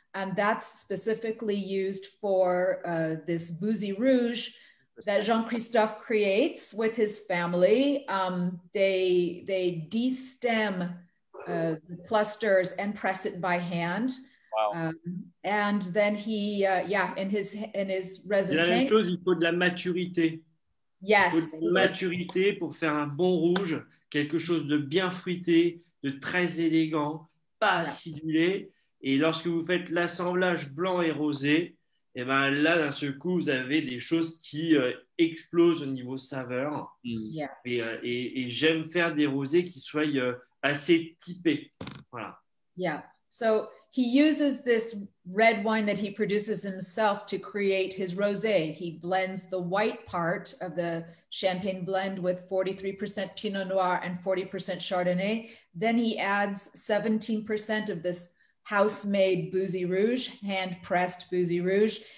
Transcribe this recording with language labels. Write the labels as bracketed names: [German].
[English] And that's specifically used for this Bouzy Rouge that Jean-Christophe creates with his family. They de-stem the clusters and press it by hand. Wow. And then he, in his resin tank. [French] La même chose, il faut de la maturité. [English] Yes. [French] Il faut de la maturité pour faire un bon rouge, quelque chose de bien fruité, de très élégant, pas acidulé. Et lorsque vous faites l'assemblage blanc et rosé, et ben là, d'un seul coup, vous avez des choses qui explosent au niveau saveur. [English] Yeah. [French] Et j'aime faire des rosés qui soient assez typé. Voilà. [English] Yeah. So he uses this red wine that he produces himself to create his rosé. He blends the white part of the champagne blend with 43% Pinot Noir and 40% Chardonnay. Then he adds 17% of this house-made Bouzy Rouge, hand-pressed Bouzy Rouge.